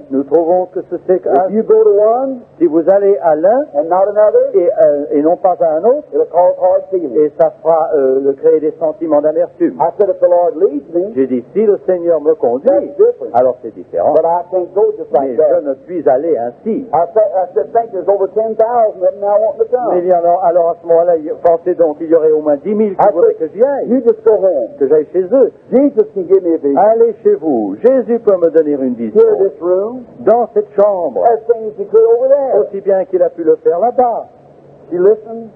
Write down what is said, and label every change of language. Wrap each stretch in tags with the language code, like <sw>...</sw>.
<fr>Nous trouvons que ce c'est</fr> <en>if you go to one,</en> <fr>si vous allez à l'un</fr> <en>and not another,</en> <fr>et non pas à un autre,</fr> <en>it'll cause hard feelings.</en> <fr>Et ça fera le créer des sentiments d'amertume.</fr> <en>I said, if the Lord leads me,</en> <fr>j'ai dit, si le Seigneur me conduit, alors c'est différent.</fr> <en>But I can't go just like</en> <fr>mais</fr> <en>that.</en> <fr>Je ne puis aller ainsi.</fr> <en>I said, think there's over 10,000 that now want to come.</en> <fr>Mais il y en a, alors à ce moment-là, pensez donc qu'il y aurait au moins 10,000 qui voudraient que j'y aille.</fr> <en>You just go home.</en> <fr>Que j'aille chez eux.</fr> <en>Jesus can give me a vision.</en> <fr>Allez chez vous. Jésus peut me donner une vision.</fr> <en>Here this room,</en> <fr>dans cette chambre.</fr> <en>As things he could over there.</en> <fr>Aussi bien qu'il a pu le faire là-bas.</fr> <en>She listened.</en>